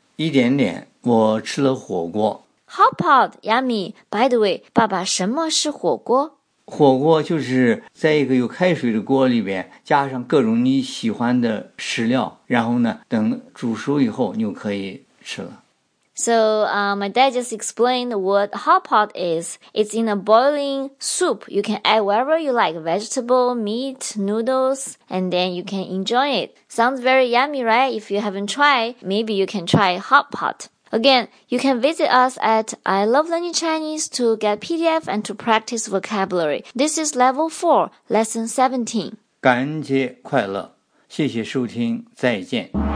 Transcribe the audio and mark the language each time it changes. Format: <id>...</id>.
<zh>一点点，我吃了火锅。</zh> <en>Hot pot, yummy. By the way,</en> <zh>爸爸，什么是火锅？火锅就是在一个有开水的锅里边加上各种你喜欢的食料，然后呢，等煮熟以后你就可以吃了。</zh> <en>So, my dad just explained what hot pot is. It's in a boiling soup. You can add whatever you like, vegetable, meat, noodles, and then you can enjoy it. Sounds very yummy, right? If you haven't tried, maybe you can try hot pot. Again, you can visit us at I Love Learning Chinese to get PDF and to practice vocabulary. This is level 4, lesson 17.</en> <zh>感恩节快乐，谢谢收听，再见。</zh>